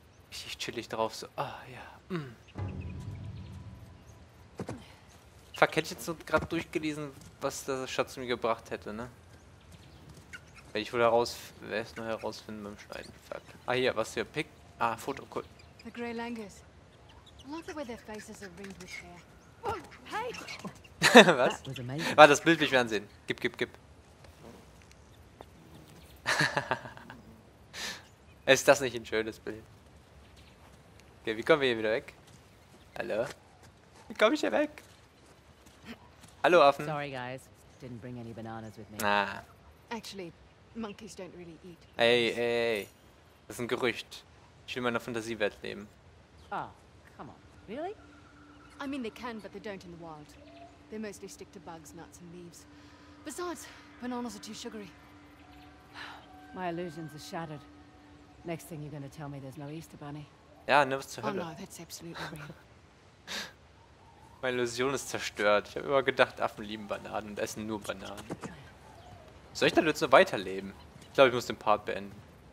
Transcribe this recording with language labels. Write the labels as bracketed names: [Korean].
[German] Richtig chillig drauf. So. Oh, ja. Mm. Fuck, hätte ich jetzt gerade durchgelesen, was der Schatz mir gebracht hätte, ne? Wenn ich wohl herausfinden beim Schneiden. Fuck. Ah, hier, was hier? Pick. Ah, Foto, cool. The Grey Langurs. [English] I love the way their faces are ringed with hair. [German] Oh, hey! Was? Warte, das Bild will ich mir ansehen. Gib, gib, gib. Ist das nicht ein schönes Bild? Okay, wie kommen wir hier wieder weg? Hallo? Wie komme ich hier weg? Hallo, Affen. [English] Sorry, guys. Didn't bring any bananas with me. Ah. Actually, monkeys don't really eat. [German] Hey, hey, hey. Das ist ein Gerücht. Ich will meiner Fantasiewelt leben. [English] Oh, come on. Really? I mean, they can, but they don't in the wild. They mostly stick to bugs, nuts and leaves. Besides, bananas are too sugary. My illusions are shattered. Next thing you're gonna tell me there's no Easter Bunny. [German] Ja, ne, was zur Hölle. [English] Oh no, that's absolutely real. [German] Meine Illusion ist zerstört. Ich habe immer gedacht, Affen lieben Bananen und essen nur Bananen. Soll ich dann jetzt nur weiterleben? Ich glaube, ich muss den Part beenden.